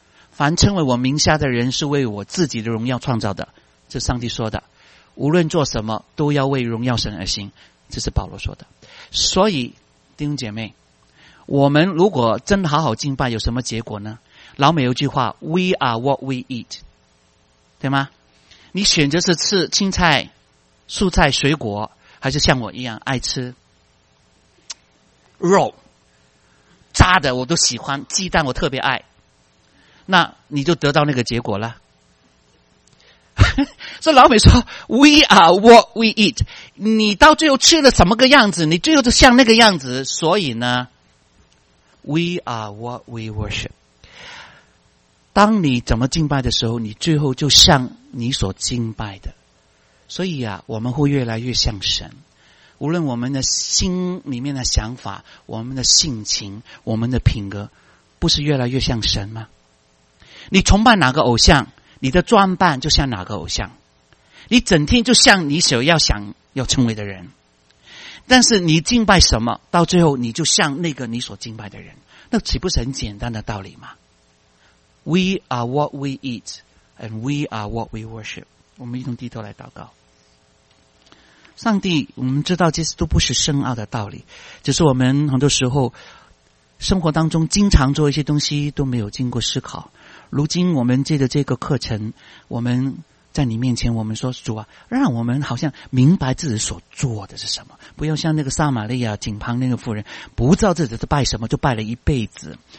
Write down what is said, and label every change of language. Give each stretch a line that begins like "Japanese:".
Chinese: 凡称为我名下的人是为我自己的荣耀创造的，这是上帝说的。无论做什么都要为荣耀神而行，这是保罗说的。所以弟兄姐妹，我们如果真的好好敬拜，有什么结果呢？老美有句话，
English: We are what we eat，
Chinese: 对吗？你选择是吃青菜、蔬菜、水果，还是像我一样爱吃肉，炸的我都喜欢，鸡蛋我特别爱，那你就得到那个结果了。所以老美说
English: We are what we eat，
Chinese: 你到最后吃了什么个样子，你最后就像那个样子。所以呢
English: We are what we worship，
Chinese: 当你怎么敬拜的时候，你最后就像你所敬拜的。所以啊，我们会越来越像神。无论我们的心里面的想法，我们的性情，我们的品格，不是越来越像神吗？你崇拜哪个偶像，你的装扮就像哪个偶像，你整天就像你所要想要成为的人。但是你敬拜什么，到最后你就像那个你所敬拜的人，那岂不是很简单的道理吗？
English: We are what we eat, and we are what we worship.
Chinese: 我们一同低头来祷告。上帝，我们知道这些都不是深奥的道理，只是我们很多时候生活当中经常做一些东西都没有经过思考。如今我们借着这个课程，我们在你面前，我们说主啊，让我们好像明白自己所做的是什么，不要像那个撒玛利亚井旁那个妇人，不知道自己是拜什么，就拜了一辈子。